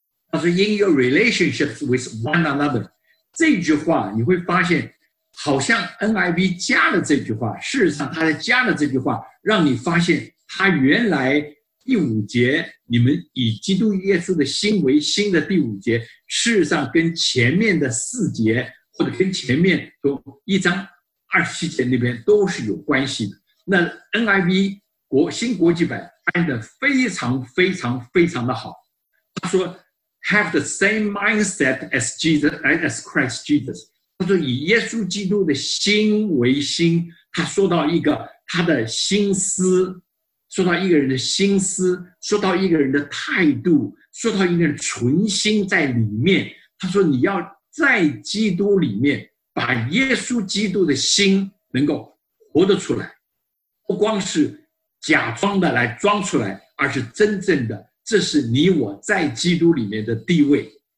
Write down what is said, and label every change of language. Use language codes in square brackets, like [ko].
[zh] 他说 [en] In your relationships with one another, [zh] 这句话你会发现好像 NIV 加了这句话，事实上他在加了这句话让你发现，他原来第五节你们以基督耶稣的心为心的第五节，事实上跟前面的四节，或者跟前面都一章二十七节那边都是有关系的。那 NIV 新国际版翻得非常非常非常的好，他说 [en] have the same mindset as Jesus, as Christ Jesus. [zh] 他说以耶稣基督的心为心，他说到一个他的心思，说到一个人的心思，说到一个人的态度，说到一个人存心在里面。他说你要在基督里面把耶稣基督的心能够活得出来，不光是假装的来装出来，而是真正的，这是你我在基督里面的地位。